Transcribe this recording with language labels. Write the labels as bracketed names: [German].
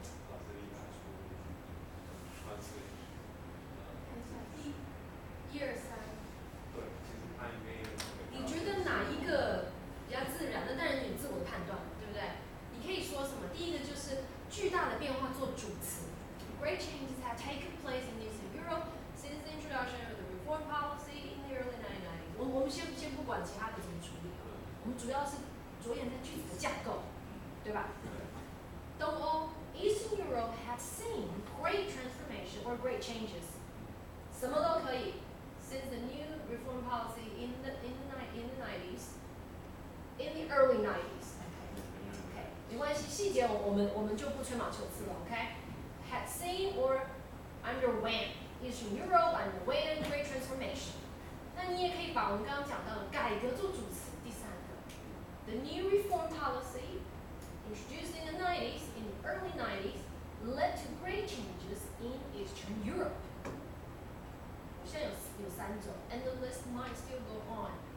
[Chinese] 把这里拿出，穿出来。看一下一二三。对，其实它应该有。你觉得哪一个比较自然？那当然是你自我判断，对不对？你可以说什么？第一个就是巨大的变化做主词。 [English] Great changes have taken place in Eastern Europe since the introduction of the reform policy in the early 1990s. [Chinese] 我们先不管其他的怎么处理，我们主要是。着眼在句子的架构，对吧？ [English] 东欧 Eastern Europe has seen great transformation or great changes. [Chinese] 什么都可以 [English] since the new reform policy in the 90s, in the early 90s. [Chinese] Okay, 没关系，细节我们就不吹毛求疵了。 [English] Okay, had seen or underwent Eastern Europe underwent great transformation. [Chinese] 那你也可以把我们刚刚讲到的改革做主词。 [English] The new reform policy introduced in the 90s, in the early 90s, led to great changes in Eastern Europe. [Chinese] 现在有三种 [English] and the list might still go on.